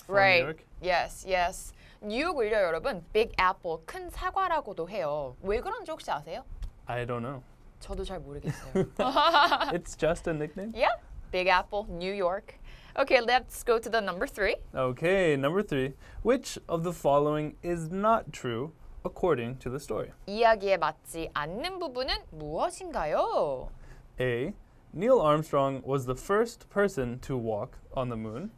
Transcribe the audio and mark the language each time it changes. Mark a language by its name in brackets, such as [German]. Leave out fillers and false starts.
[English] Right, New York? Yes, yes. [Korean] 뉴욕을요, 여러분, Big Apple, 큰 사과라고도 해요. 왜 그런지 혹시 아세요? [English] I don't know. [Korean] 저도 잘 모르겠어요. [English] It's just a nickname? Yeah, Big Apple, New York. Okay, let's go to the number three. Okay, number three. Which of the following is not true according to the story? [Korean] 이야기에 맞지 않는 부분은 무엇인가요? [English] A. Neil Armstrong was the first person to walk on the moon.